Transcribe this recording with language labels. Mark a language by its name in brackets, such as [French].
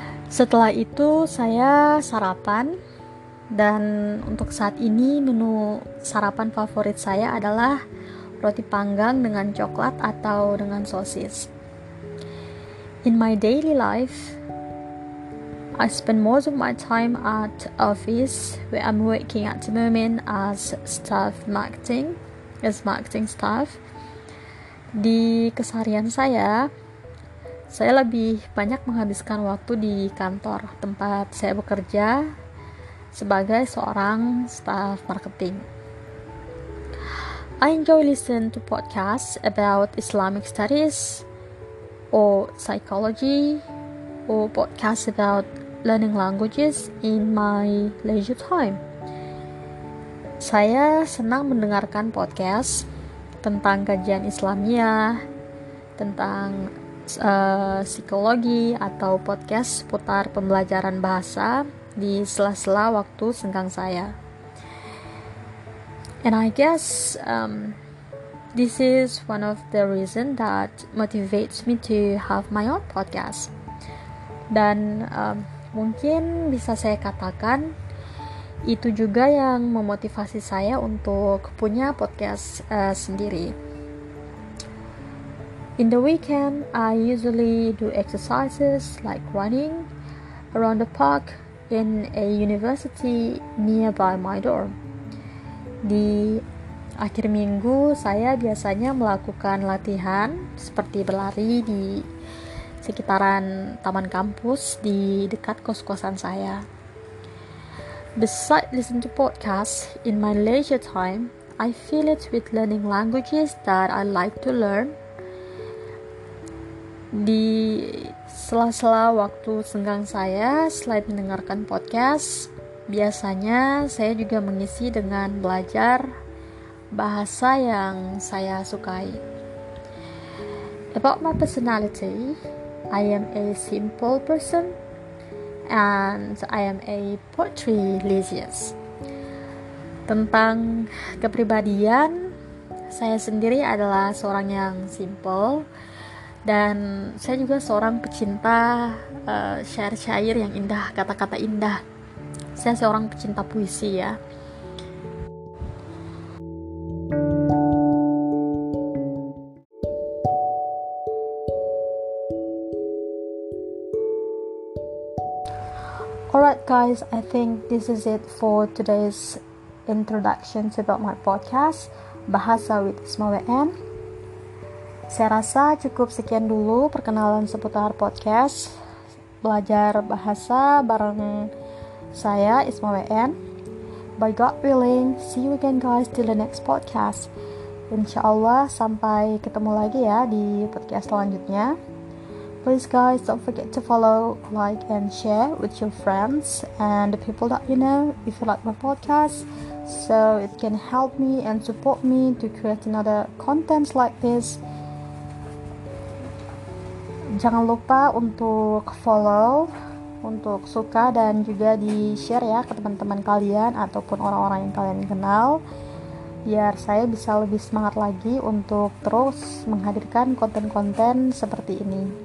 [Indonesian] Setelah itu, saya sarapan, dan untuk saat ini, menu sarapan favorit saya adalah roti panggang dengan coklat atau dengan sosis. [English] In my daily life, I spend most of my time at office where I'm working at the moment as staff marketing, as marketing staff. [Indonesian] Di keseharian saya lebih banyak menghabiskan waktu di kantor tempat saya bekerja sebagai seorang staff marketing. [English] I enjoy listening to podcasts about Islamic studies or psychology or podcasts about learning languages in my leisure time. [Indonesian] Saya senang mendengarkan podcast tentang kajian Islamiah, tentang psikologi, atau podcast seputar pembelajaran bahasa di sela-sela waktu senggang saya. [English] And I guess this is one of the reason that motivates me to have my own podcast. [Indonesian] Dan mungkin bisa saya katakan itu juga yang memotivasi saya untuk punya podcast sendiri. [English] In the weekend, I usually do exercises like running around the park in a university nearby my dorm. [Indonesian] Di akhir minggu, saya biasanya melakukan latihan seperti berlari di sekitaran taman kampus di dekat kos-kosan saya. [English] Besides listening to podcasts, in my leisure time, I fill it with learning languages that I like to learn. [Indonesian] Di sela-sela waktu senggang saya, selain mendengarkan podcast, biasanya saya juga mengisi dengan belajar bahasa yang saya sukai. [English] About my personality, I am a simple person and I am a poetry enthusiast. [Indonesian] Tentang kepribadian, saya sendiri adalah seorang yang simple dan saya juga seorang pecinta syair-syair yang indah, kata-kata indah. Saya seorang pecinta puisi ya. [English] Alright guys, I think this is it for today's introduction about my podcast, Bahasa with Isma WN. [Indonesian] Saya rasa cukup sekian dulu perkenalan seputar podcast, belajar bahasa bareng saya, Isma WN. [English] By God willing, see you again guys till the next podcast. [Indonesian] Insyaallah sampai ketemu lagi ya di podcast selanjutnya. [English] Please guys, don't forget to follow, like, and share with your friends and the people that you know if you like my podcast, so it can help me and support me to create another content like this. [Indonesian] Jangan lupa untuk follow, untuk suka, dan juga di-share ya ke teman-teman kalian ataupun orang-orang yang kalian kenal, biar saya bisa lebih semangat lagi untuk terus menghadirkan konten-konten seperti ini.